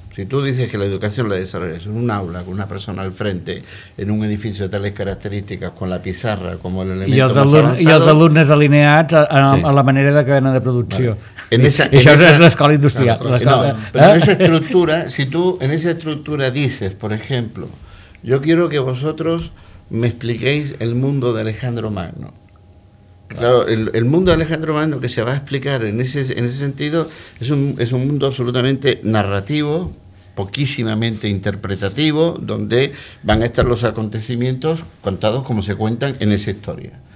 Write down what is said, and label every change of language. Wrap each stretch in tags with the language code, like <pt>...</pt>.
<es>Si tú dices que la educación la desarrollas en un aula, con una persona al frente, en un edificio de tales características, con la pizarra como el elemento más avanzado...</es> <ca>I els alumnes alineats a la manera de cadena de producció.</ca> <es>Vale.</es> <ca>És l'escola industrial.</ca> <es>En esa estructura, si tú en esa estructura dices, por ejemplo, yo quiero que vosotros me expliquéis el mundo de Alejandro Magno. Claro, el mundo de Alejandro Magno que se va a explicar en ese sentido es un mundo absolutamente narrativo, poquísimamente interpretativo, donde van a estar los acontecimientos contados como se cuentan en esa historia.</es>